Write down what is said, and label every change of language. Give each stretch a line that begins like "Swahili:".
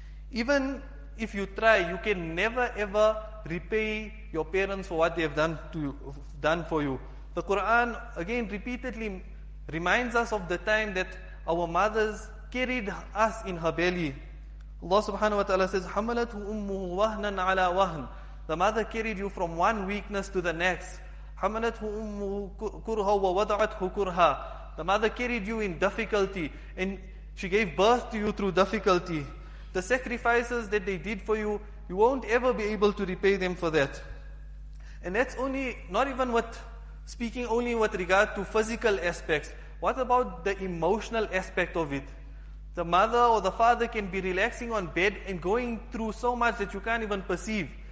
English: Even if you try, you can never ever repay your parents for what they have done for you. The Quran again repeatedly reminds us of the time that our mothers carried us in her belly. Allah subhanahu wa ta'ala says,
Arabic: حَمَلَتْهُ أُمُّهُ وَهْنًا عَلَى وَهْنًا.
English: The mother carried you from one weakness to the next.
Arabic: حَمَلَتْهُ أُمُّهُ كُرْهًا وَوَضَعَتْهُ كُرْهًا.
English: The mother carried you in difficulty, and she gave birth to you through difficulty. The sacrifices that they did for you, you won't ever be able to repay them for that. And that's only, not even what, speaking only with regard to physical aspects. What about the emotional aspect of it? The mother or the father can be relaxing on bed and going through so much that you can't even perceive.